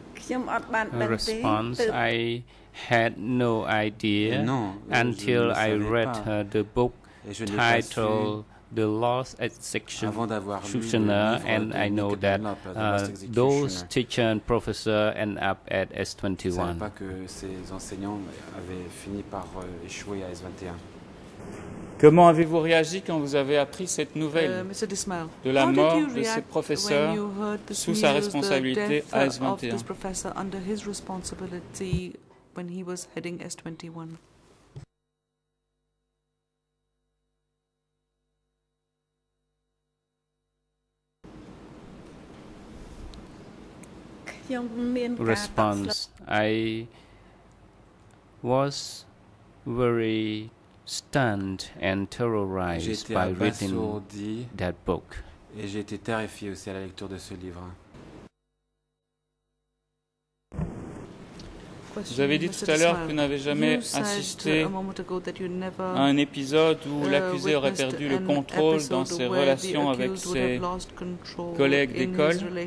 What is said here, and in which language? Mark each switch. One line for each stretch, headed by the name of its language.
English: A response, I had no idea until I read the book titled The Lost Execution, and I know that those teacher and professor end up at S21.
French: Pas que ces enseignants avaient fini par échouer à S21. Comment avez-vous réagi quand vous avez appris cette nouvelle de la mort de ce professeur sous sa responsabilité à S21?
English: Response. I was very stunned and terrorized by reading that book.
French: Et j'ai été terrifié aussi à la lecture de ce livre. Vous avez dit tout à l'heure que vous n'avez jamais assisté à un épisode où l'accusé aurait perdu le contrôle dans ses relations avec ses collègues d'école.